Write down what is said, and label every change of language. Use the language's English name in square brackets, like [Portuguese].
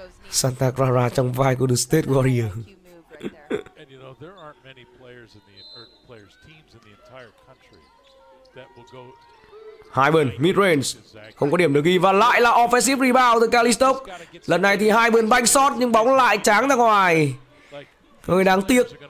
[Vietnamese] Santa Clara trong vai của The State Warrior. [English] And you know, there aren't many players in the players teams in the entire country that will go. [Vietnamese] Hyben mid-range, không có điểm được ghi và lại là offensive rebound từ Calistok. Lần này thì Hyben bank shot nhưng bóng lại tráng ra ngoài. Hơi đáng tiếc.